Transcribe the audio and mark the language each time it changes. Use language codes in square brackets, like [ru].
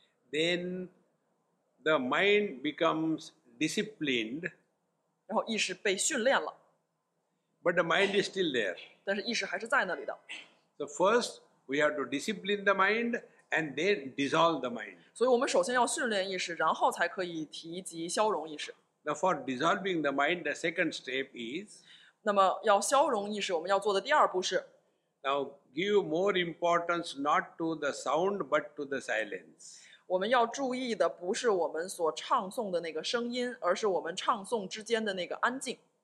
[en] Then the mind becomes disciplined. [zh] 然后意识被训练了。But [en] the mind is still there. [zh] 但是意识还是在那里的。So [en] first, we have to discipline the mind. And then dissolve the mind. [zh] 所以我们首先要训练意识，然后才可以提及消融意识。 [en] Now for dissolving the mind, the second step is. [zh] 那么要消融意识，我们要做的第二步是。 [en] Now give more importance not to the sound but to the silence. [zh] 我们要注意的不是我们所唱诵的那个声音，而是我们唱诵之间的那个安静。